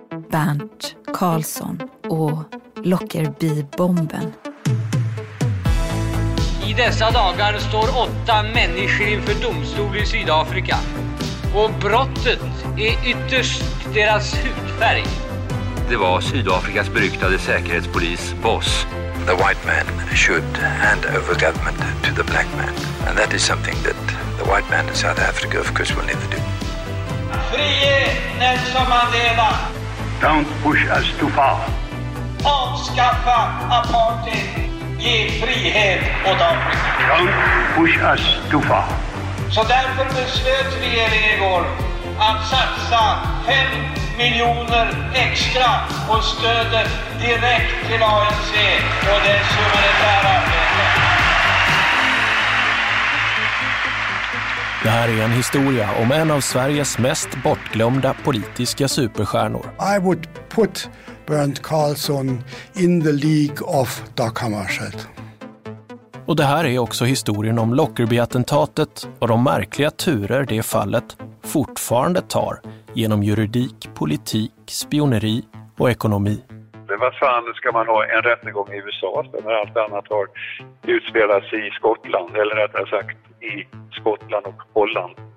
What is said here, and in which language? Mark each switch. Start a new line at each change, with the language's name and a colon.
Swedish: Bernt Carlsson och Lockerbie-bomben. I dessa dagar står 8 människor inför domstol i Sydafrika. Och brottet är ytterst deras hudfärg. Det var Sydafrikas beryktade säkerhetspolis, Boss.
English: The white man should hand over government to the black man. And that is something that the white man in South Africa of course will never do.
Swedish: Frie Nelson Mandela!
English: Don't push us too far.
Swedish: Avskaffa apartheid! Ge frihet åt Afrika!
English: Don't push us too far.
Swedish: Så därför beslöt regeringen igår att satsa 5 miljoner extra på stödet direkt till ANC och dess humanitära arbete. Det här är en historia om en av Sveriges mest bortglömda politiska superstjärnor.
English: I would put Bernt Carlsson in the league of Dag Hammarskjöld.
Swedish: Och det här är också historien om Lockerbie-attentatet och de märkliga turer det fallet fortfarande tar genom juridik, politik, spioneri och ekonomi. Det var fan, ska man ha en rättegång i USA när allt annat har utspelats i Skottland, eller rättare sagt i Skottland och Holland.